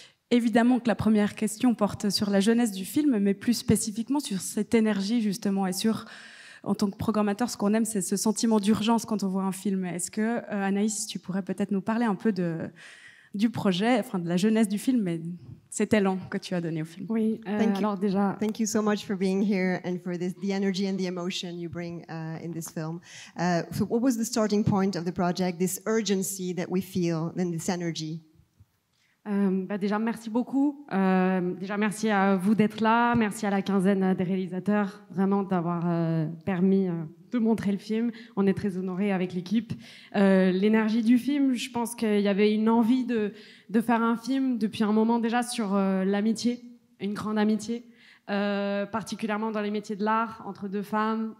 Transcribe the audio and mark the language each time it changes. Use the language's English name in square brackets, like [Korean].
[French] Évidemment que la première question porte sur la jeunesse du film, mais plus spécifiquement sur cette énergie justement et sur... En tant que programmateur, ce qu'on aime, c'est ce sentiment d'urgence quand on voit un film. Est-ce que, Anaïs, tu pourrais peut-être nous parler un peu du projet, enfin, de la jeunesse du film, mais cet élan que tu as donné au film? Oui, alors déjà... [English] Thank you so much for being here and for this, the energy and the emotion you bring in this film. So what was the starting point of the project, this urgency that we feel, and this energy? [French] Déjà, merci beaucoup. Déjà, merci à vous d'être là. Merci à la quinzaine des réalisateurs, vraiment, d'avoir permis de montrer le film. On est très honorés avec l'équipe. L'énergie du film, je pense qu'il y avait une envie de faire un film depuis un moment déjà sur l'amitié, une grande amitié, particulièrement dans les métiers de l'art, entre deux femmes.